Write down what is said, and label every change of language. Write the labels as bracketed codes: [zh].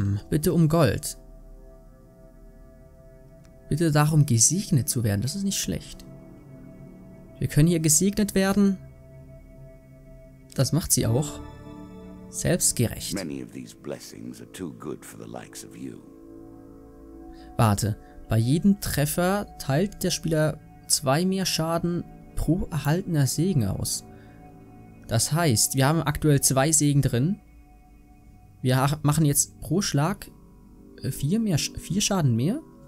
[de] Bitte um Gold. Bitte darum, gesegnet zu werden. Das ist nicht schlecht. Wir können hier gesegnet werden. Das macht sie auch. Selbstgerecht. [en] Many of these blessings are too good for the likes of you. [de] Warte. Bei jedem Treffer teilt der Spieler 2 mehr Schaden pro... pro erhaltener Segen aus. Das heißt, wir haben aktuell 2 Segen drin. Wir machen jetzt pro Schlag 4 Schaden mehr.